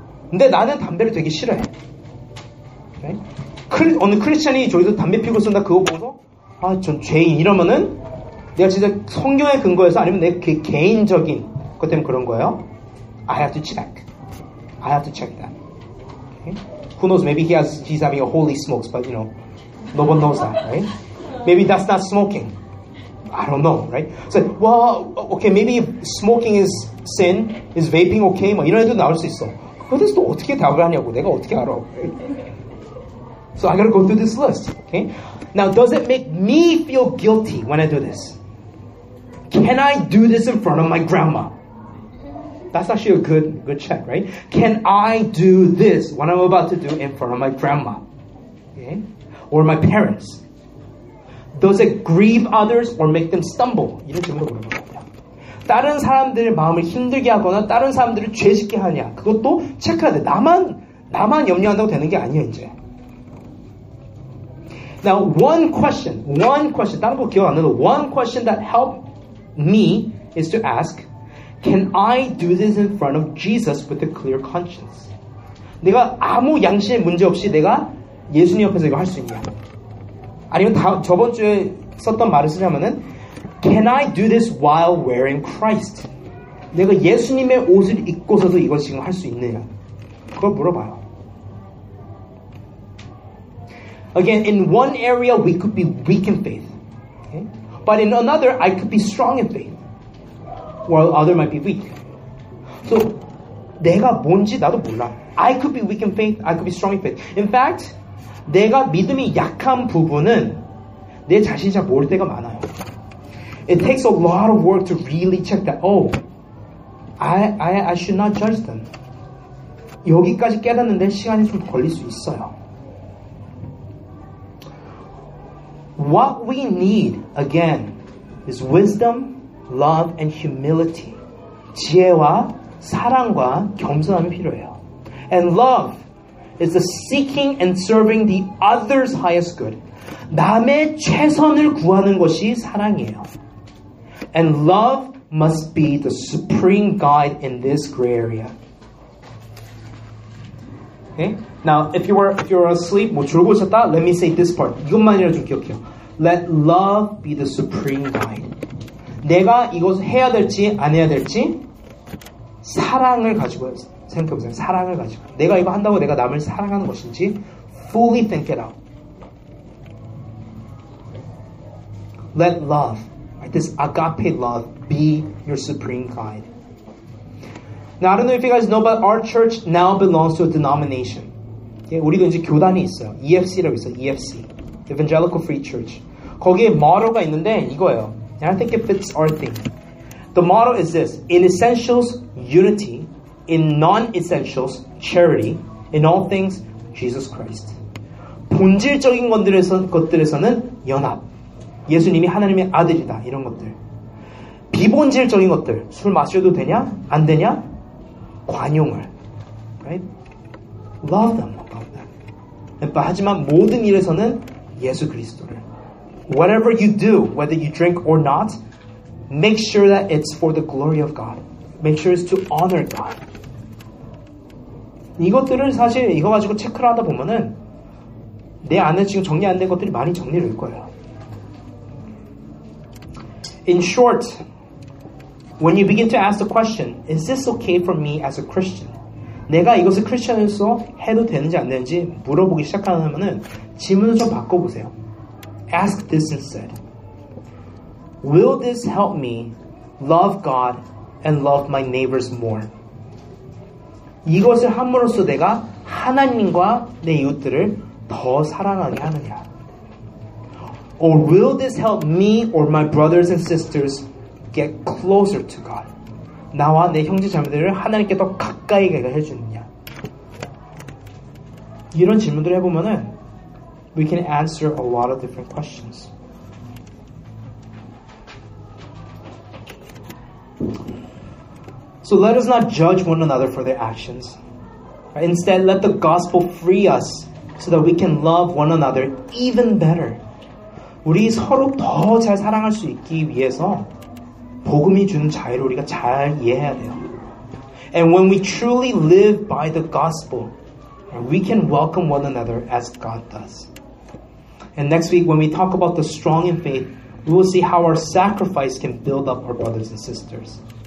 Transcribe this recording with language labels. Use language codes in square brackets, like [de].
[ko] 근데 나는 담배를 되게 싫어해. [en] Okay. [ko] 어느 크리스천이 저기서 담배 피고 쓴다 그거 보고서 아, 전 죄인 이러면은. 내가 진짜 성경에 근거해서 아니면 내 그 개인적인 것 때문에 그런 거예요? [en] I have to check. I have to check that. Okay? Who knows? Maybe he's having a holy smokes, but you know, no one knows that, right? Maybe that's not smoking. I don't know, right? So, well, okay, maybe smoking is sin. Is vaping okay? [ko] 뭐 이런 애도 나올 수 있어. 그래서 또 어떻게 답을 하냐고. 내가 어떻게 알아. [en] So I gotta go through this list, okay? Now, does it make me feel guilty when I do this? Can I do this in front of my grandma? That's actually a good check, right? Can I do this, what I'm about to do, in front of my grandma? Okay? Or my parents? Does it grieve others or make them stumble? [ko] 이런 질문을 물어보는 겁니다. 다른 사람들의 마음을 힘들게 하거나 다른 사람들을 죄짓게 하냐? 그것도 체크해야 돼. 나만 염려한다고 되는 게 아니야, 이제. [en] Now, one question, [ko] 다른 거 기억 안 나도, [en] one question that helped me is to ask, can I do this in front of Jesus with a clear conscience? [ko] 내가 아무 양심의 문제 없이 내가 예수님 옆에서 이거 할 수 있냐? 아니면 저번 주에 썼던 말을 쓰자면은, [en] can I do this while wearing Christ? [ko] 내가 예수님의 옷을 입고서도 이거 지금 할 수 있느냐? 그걸 물어봐요. [en] Again, in one area, we could be weak in faith. Okay? But in another, I could be strong in faith. While other might be weak. [ko] So, 내가 뭔지 나도 몰라. [en] I could be weak in faith, I could be strong in faith. In fact, [ko] 내가 믿음이 약한 부분은 내 자신이 잘 모를 때가 많아요. [en] It takes a lot of work to really check that. Oh, I should not judge them. [ko] 여기까지 깨닫는데 시간이 좀 걸릴 수 있어요. [en] What we need again is wisdom, love, and humility. [ko] 지혜와 사랑과 겸손함이 필요해요. [en] And love is the seeking and serving the other's highest good. [ko] 남의 최선을 구하는 것이 사랑이에요. [en] And love must be the supreme guide in this gray area. Okay? Now, if you were asleep, [ko] 뭐 졸고 있었다, [en] let me say this part. [ko] 이것만이라도 좀 기억해요. [en] Let love be the supreme guide. [ko] 내가 이것을 해야 될지 안 해야 될지 사랑을 가지고 생각해보세요. 사랑을 가지고. 내가 이거 한다고 내가 남을 사랑하는 것인지 [en] fully think it out. Let love, right, this agape love, be your supreme guide. Now, I don't know if you guys know, but our church now belongs to a denomination. Okay? [ko] 우리도 이제 교단이 있어요. EFC라고 있어요. EFC. Evangelical Free Church. 거기에 motto가 있는데 이거예요. [en] And I think it fits our theme. The motto is this. In essentials, unity. In non-essentials, charity. In all things, Jesus Christ. [ko] 본질적인 것들에서는 연합. 예수님이 하나님의 아들이다. 이런 것들. 비본질적인 것들. 술 마셔도 되냐? 안 되냐? 관용을. Right? [en] Love them. Love them. [ko] 하지만 모든 일에서는 예수 그리스도를. [en] Whatever you do, whether you drink or not, make sure that it's for the glory of God. Make sure it's to honor God. [ko] 이것들을 사실 이거 가지고 체크를 하다 보면은 내 안에 지금 정리 안 된 것들이 많이 정리될 거예요. [en] In short, when you begin to ask the question, is this okay for me as a Christian? [ko] 내가 이것을 크리스천으로서 해도 되는지 안 되는지 물어보기 시작하면은 질문을 좀 바꿔보세요. [en] Ask this instead. Will this help me love God and love my neighbors more? [ko] 이것을 함으로써 내가 하나님과 내 이웃들을 더 사랑하게 하느냐? [en] Or will this help me or my brothers and sisters get closer to God? [ko] 나와 내 형제 자매들을 하나님께 더 가까이 가게 해주느냐? 이런 질문들을 해보면은 [en] we can answer a lot of different questions. So let us not judge one another for their actions. Instead, let the gospel free us so that we can love one another even better. [ko] 우리 서로 더 잘 사랑할 수 있기 위해서 복음이 주는 자유를 우리가 잘 이해해야 돼요. [en] And when we truly live by the gospel, we can welcome one another as God does. And next week, when we talk about the strong in faith, we will see how our sacrifice can build up our brothers and sisters.